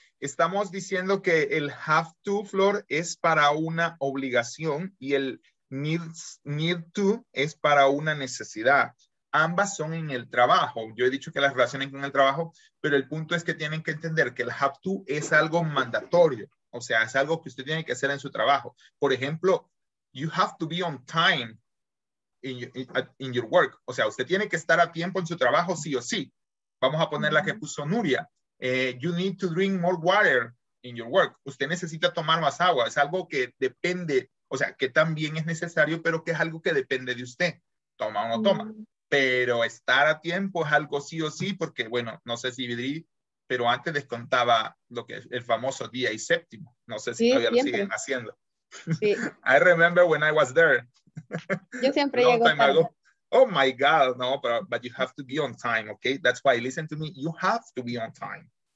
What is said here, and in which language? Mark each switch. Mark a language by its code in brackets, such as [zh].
[es] Estamos diciendo que el have to, Flor, es para una obligación y el need to es para una necesidad. Ambas son en el trabajo. Yo he dicho que las relacionen con el trabajo, pero el punto es que tienen que entender que el have to es algo mandatorio. O sea, es algo que usted tiene que hacer en su trabajo. Por ejemplo, [en] you have to be on time in your work. [es] O sea, usted tiene que estar a tiempo en su trabajo sí o sí. Vamos a poner la que puso Nuria. [en] You need to drink more water in your work. [es] Usted necesita tomar más agua. Es algo que depende, o sea, que también es necesario, pero que es algo que depende de usted. Toma o no toma. Pero estar a tiempo es algo sí o sí, porque, bueno, no sé si vidrí, pero antes descontaba lo que es el famoso día y séptimo. No sé si sí, todavía siempre lo siguen haciendo. Sí. [en] I remember when I was there. [es] Yo siempre no, llego tarde. [en] Oh my God, no, but you have to be on time, okay? That's why, listen to me, you have to be on time.